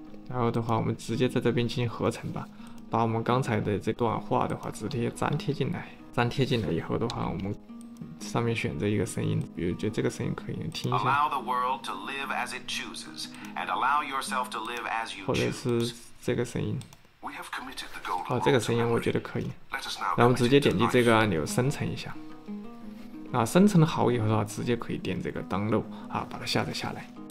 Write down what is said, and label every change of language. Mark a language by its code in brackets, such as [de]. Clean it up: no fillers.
[zh] 然后的话，我们直接在这边进行合成吧，把我们刚才的这段话的话直接粘贴进来，粘贴进来以后的话，我们。上面选择一个声音，比如觉得这个声音可以听一下。 [en] Allow the world to live as it chooses, and allow yourself to live as you choose. [zh] 或者是这个声音。 [en] We have committed the goal. [zh] 好，这个声音我觉得可以。那我们直接点击这个按钮生成一下。啊，生成好以后的话，直接可以点这个 download 啊，把它下载下来。